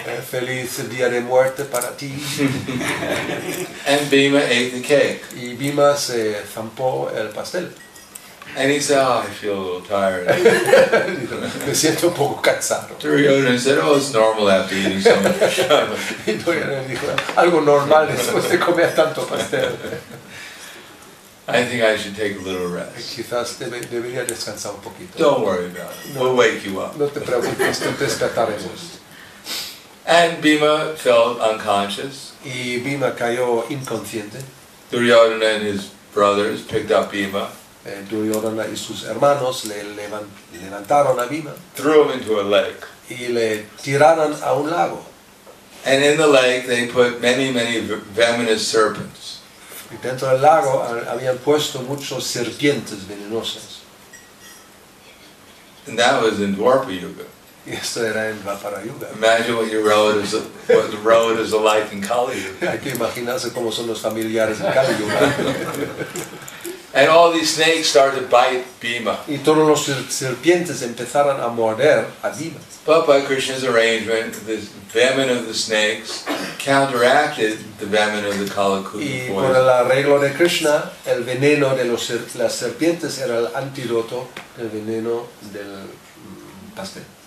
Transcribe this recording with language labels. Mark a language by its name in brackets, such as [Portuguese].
[Spanish] Feliz día de muerte para ti. [English] And Bhima ate the cake. [Spanish] Y Bhima se zampó el pastel. [English] And he said, oh, I feel a little tired. [Spanish] Me siento un poco cansado. [English] Duryodhana said, oh, it's normal after eating so much. [Spanish] Y Duryodhana dijo, algo normal después de comer tanto pastel. [English] I think I should take a little rest. [Spanish] Quizás debería descansar un poquito. [English] Don't worry about it. We'll wake you up. [Spanish] No te preocupes, te despertaremos. [English] And Bhima fell unconscious. [Spanish] Y Bhima cayó inconsciente. [English] Duryodhana and his brothers picked up Bhima. [Spanish] Duryodhana y sus hermanos le levantaron a Bhima, [English] threw him into a lake, [Spanish] y le tiraron a un lago. [English] And in the lake they put many, many venomous serpents. [Spanish] Y dentro del lago habían puesto muchos serpientes venenosas. [English] And that was in Dwarpa Yuga. [Spanish] Y esto era en Dwapara Yuga. [English] Imagine what your relatives, what the relatives are like in Kali Yuga. [Spanish] Hay que imaginarse cómo son los familiares en Kali Yuga. [English] And all these snakes started to bite Bhima. [Spanish] Y todos los serpientes empezaron a morder a Bhima. [English] But by Krishna's arrangement, the venom of the snakes counteracted the venom of the Kalakuta poison. [Spanish] Y por el arreglo de Krishna, el veneno de las serpientes era el antídoto del veneno del pastel.